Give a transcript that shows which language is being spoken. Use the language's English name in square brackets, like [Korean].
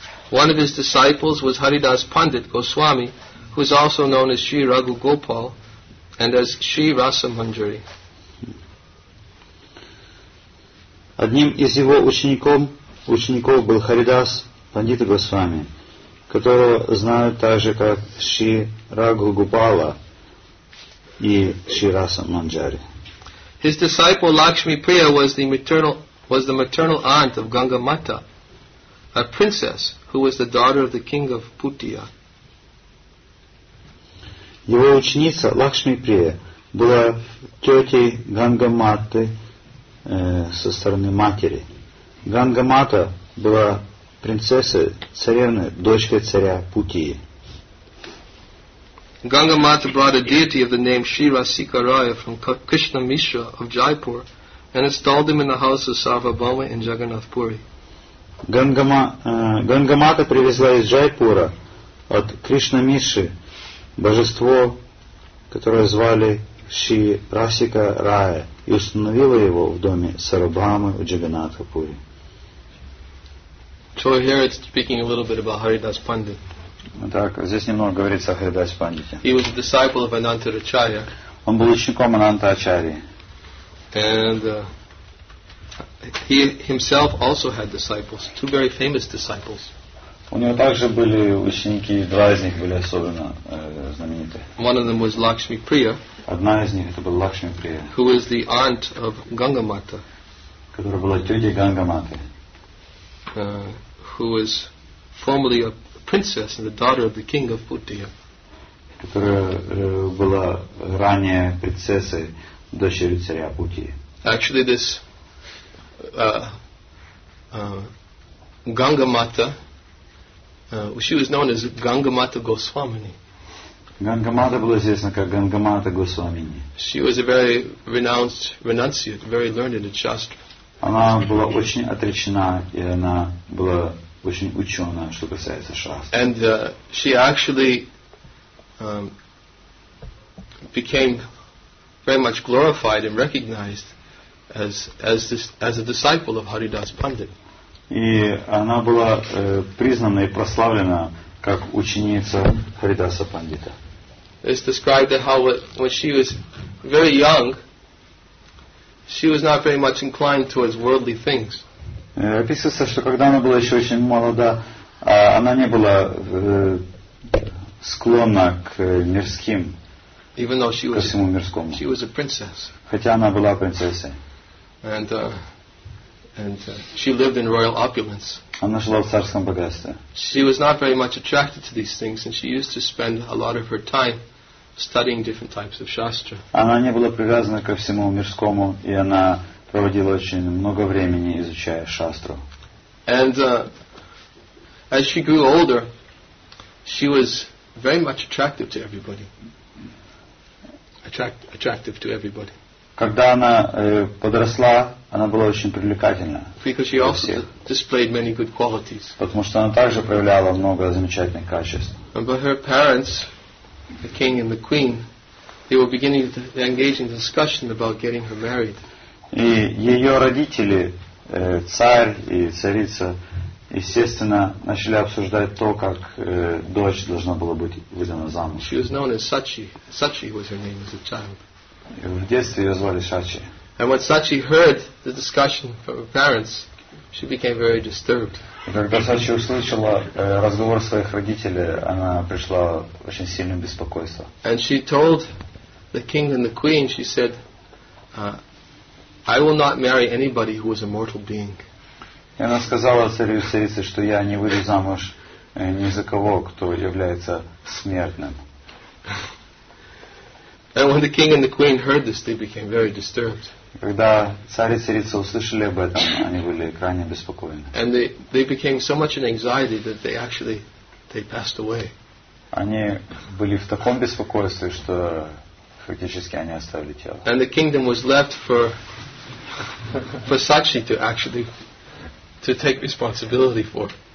[English] One of his disciples was Haridas Pandit Goswami, who is also known as Sri Raghu Gopal and as Sri Rasa Manjari. [Russian] Одним из его учеников был Харидас Пандита Госвами, которого знают также как Шри Рагу Гупала и Шри Раса Манджари. [English] His disciple Lakshmi Priya was the maternal aunt of Ganga Mata, a princess who was the daughter of the king of Putia. [Russian] Его ученица Лакшми Прия была тетей Ганга Маты со стороны матери. Ганга Мата была принцессой, царевной, дочкой царя Путии. [English] Ganga Mata brought a deity of the name Shri Rasika Raya from Krishna Mishra of Jaipur and installed him in the house of Sarvabhauma in Jagannath Puri. [Russian] Ganga Mata привезла из Джайпура от Кришна Миши божество, которое звали Шри Расика Рая, и установила его в доме Сарабхамы в Джагнатха Пури. [English] So here it's speaking a little bit about Haridas Pandit. [Russian] Так, здесь немного говорится о Харидас Пандите. [English] He was a disciple of Ananta Acharya. [Russian] Он был учеником Ананта Ачарьи. [English] And he himself also had disciples, two very famous disciples. [Russian] У него также были ученики, два из них были особенно знаменитые. [English] One of them was Lakshmi Priya. [Russian] Одна из них это была Лакшми Прия. [English] Who was the aunt of Ganga Mata. [Russian] Которая была тетей Ганга Маты. [English] Who was formerly a princess and the daughter of the king of Putia. [Russian] Которая была ранее принцессой, дочерью царя Путии. [English] Actually, this Ganga Mata. She was known as Ganga Mata Goswamini. [Russian] Ganga Mata была известна как Ganga Mata Goswamini. [English] She was a very renowned renunciate, very learned in Shastra. [Russian] Она была очень отречена, и она была очень учена, что касается Шастры. [English] And she actually became very much glorified and recognized as a disciple of Haridas Pandit. [Russian] И она была признана и прославлена как ученица Харидаса Пандита. [English] It's described that how when she was very young, she was not very much inclined towards worldly things. [Russian] Описывается, что когда она была еще очень молода, она не была склонна к мирским, [English] even though she [Russian] ко всему мирскому. [English] She was a princess. [Russian] Хотя она была принцессой. [English] And she lived in royal opulence. [Russian] Она жила в царском богатстве. [English] She was not very much attracted to these things, and she used to spend a lot of her time studying different types of shastra. [Russian] Она не была привязана ко всему мирскому, и она проводила очень много времени, изучая шастру. [English] And as she grew older, she was very much attractive to everybody. Attractive to everybody. [Russian] Когда она подросла, она была очень привлекательна. [English] Because she also displayed many good qualities. [Russian] Потому что она также проявляла много замечательных качеств. [English] But her parents, the king and the queen, they were beginning to engage in discussion about getting her married. [Russian] И ее родители, царь и царица, естественно, начали обсуждать то, как дочь должна была быть выдана замуж. [English] She was known as Sachi. Sachi was her name as a child. [Russian] В детстве ее звали Сачи. [English] And when Sachi heard the discussion from her parents, she became very disturbed. [Russian] Когда Сачи услышала разговор своих родителей, она пришла в очень сильное беспокойство. [English] And she told the king and the queen, she said, I will not marry anybody who is a mortal being. [Russian] И она сказала царю и царице, что я не выйду замуж ни за кого, кто является смертным. [English] And when the king and the queen heard this, they became very disturbed. [Russian] Когда царь и царица услышали об этом, они были крайне беспокоены. [English] And they became so much in anxiety that they passed away. [Russian] Они были в таком беспокойстве, что фактически они оставили тело. [English] And the kingdom was left for Sachi to take responsibility for.